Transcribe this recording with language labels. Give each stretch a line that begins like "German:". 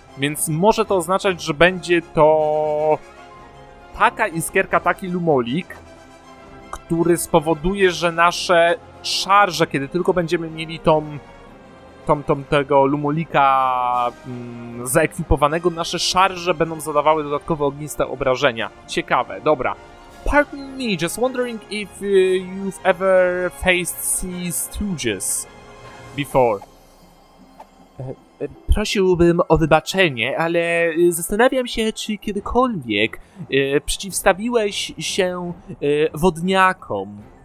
Polish: Więc może to oznaczać, że będzie to taka iskierka, taki lumolik, który spowoduje, że nasze szarże, kiedy tylko będziemy mieli tego lumolika zaekwipowanego, nasze szarże będą zadawały dodatkowe ogniste obrażenia. Ciekawe, dobra.
English: Pardon me, just wondering if you've ever faced sea stooges before.
Polish: Prosiłbym o wybaczenie, ale zastanawiam się, czy kiedykolwiek przeciwstawiłeś się wodniakom.